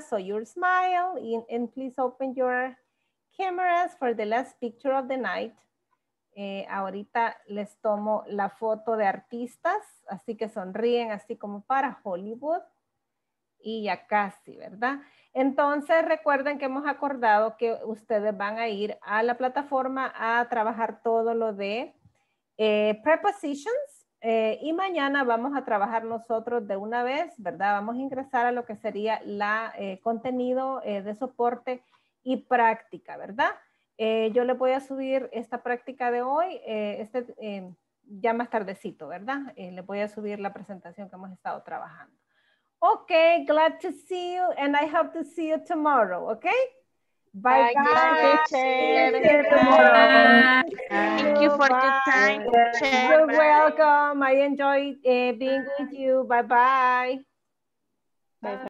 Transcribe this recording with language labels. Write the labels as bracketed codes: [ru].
[en] So your smile and please open your cameras for the last picture of the night. [es] Ahorita les tomo la foto de artistas, así que sonríen así como para Hollywood. Y ya casi, ¿verdad? Entonces recuerden que hemos acordado que ustedes van a ir a la plataforma a trabajar todo lo de prepositions. Y mañana vamos a trabajar nosotros de una vez, ¿verdad? Vamos a ingresar a lo que sería la contenido de soporte y práctica, ¿verdad? Yo le voy a subir esta práctica de hoy, ya más tardecito, ¿verdad? Le voy a subir la presentación que hemos estado trabajando. [en] Ok, glad to see you and I hope to see you tomorrow, ¿ok? Bye, bye. Thank you for your time. You're welcome. I enjoyed being with you. Bye-bye. Bye-bye.